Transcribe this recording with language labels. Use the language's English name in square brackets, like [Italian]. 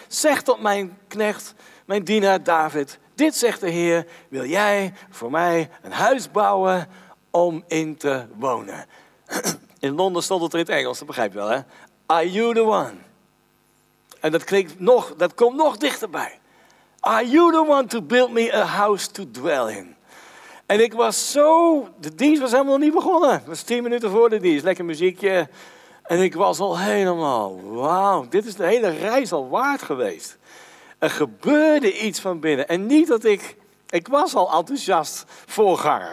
[Dutch] Zeg tot mijn knecht, mijn dienaar David. Dit zegt de Heer, wil jij voor mij een huis bouwen om in te wonen? In Londen stond het er in het Engels, dat begrijp je wel, hè? [English] Are you the one? [Dutch] En dat komt nog dichterbij. [English] Are you the one to build me a house to dwell in? [Dutch] En ik was zo... De dienst was helemaal niet begonnen. Het was 10 minuten voor de dienst. Lekker muziekje. En ik was al helemaal, wauw, dit is de hele reis al waard geweest. Er gebeurde iets van binnen. En niet dat ik was al enthousiast voorganger.